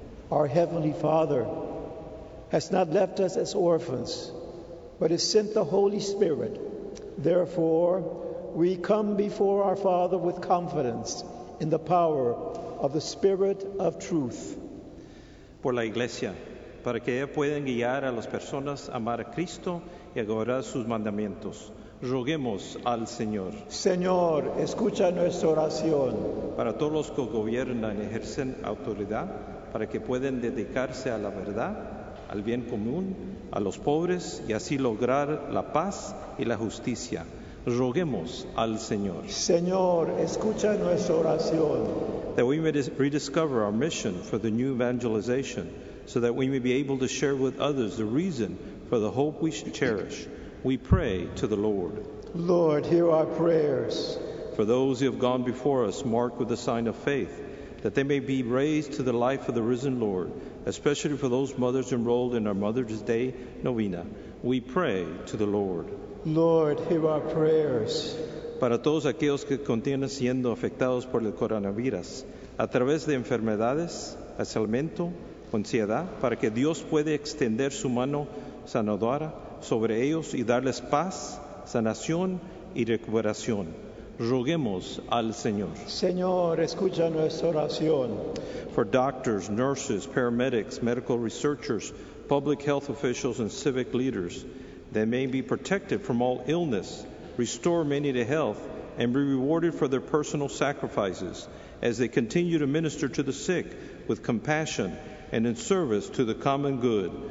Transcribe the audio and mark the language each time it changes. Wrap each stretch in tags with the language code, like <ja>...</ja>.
<en>Our Heavenly Father has not left us as orphans, but has sent the Holy Spirit. Therefore, we come before our Father with confidence in the power of the Spirit of Truth.</en> <es>Por la Iglesia, para que ella pueda guiar a las personas a amar a Cristo y a guardar sus mandamientos, roguemos al Señor. Señor, escucha nuestra oración. Para todos los que gobiernan y ejercen autoridad, para que puedan dedicarse a la verdad, al bien común, a los pobres y así lograr la paz y la justicia. Roguemos al Señor. Señor, escucha nuestra oración.</es> <en>That we may rediscover our mission for the new evangelization, so that we may be able to share with others the reason for the hope we should cherish. We pray to the Lord. Lord, hear our prayers. For those who have gone before us, marked with the sign of faith, that they may be raised to the life of the risen Lord, especially for those mothers enrolled in our Mother's Day novena. We pray to the Lord. Lord, hear our prayers.</en> <es>Para todos aquellos que continúan siendo afectados por el coronavirus, a través de enfermedades, aislamiento, ansiedad, para que Dios pueda extender su mano sanadora sobre ellos y darles paz, sanación y recuperación. Roguemos al Señor. Señor, escucha nuestra oración.</es> <en>For doctors, nurses, paramedics, medical researchers, public health officials, and civic leaders, they may be protected from all illness, restore many to health, and be rewarded for their personal sacrifices as they continue to minister to the sick with compassion and in service to the common good.</en>